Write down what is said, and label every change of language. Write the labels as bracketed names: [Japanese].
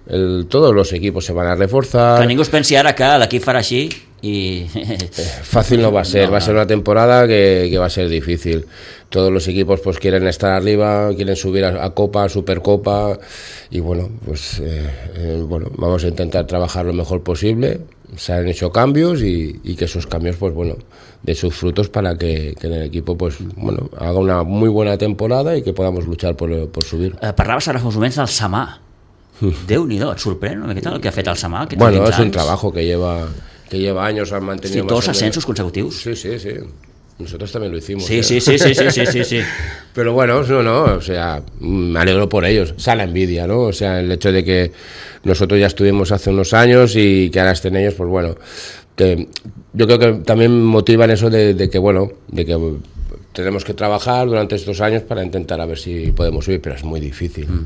[Spanish] El, todos los equipos se van a reforzar. [Catalan] Que ningú es pensi ara que l'equip farà així i... Fàcil no va ser, no, va ser una temporada que va ser difícil. [Spanish] Todos los equipos pues quieren estar arriba, quieren subir a Copa, a Supercopa, y bueno, pues bueno, vamos a intentar trabajar lo mejor posible. Se han hecho cambios y que esos cambios pues bueno, de sus frutos para que el equipo pues bueno, haga una muy buena temporada y que podamos luchar por subir. [Catalan] Parlaves ara fa uns moments del Samà. Déu-n'hi-do, et sorprèn una miqueta el que ha fet el Samà? [Spanish] Bueno, és un trabajo que lleva años, han mantenido... [Catalan] Sí, dos ascensos consecutius. [Spanish] Sí, sí, sí. Nosotros también lo hicimos. Sí, sí, sí, sí, sí, sí, sí, sí. Pero bueno, no, o sea, me alegro por ellos. O sea, la envidia, ¿no? O sea, el hecho de que nosotros ya estuvimos hace unos años y que ahora estén ellos, pues bueno, que yo creo que también motivan eso de que tenemos que trabajar durante estos años para intentar a ver si podemos subir, pero es muy difícil. Mm.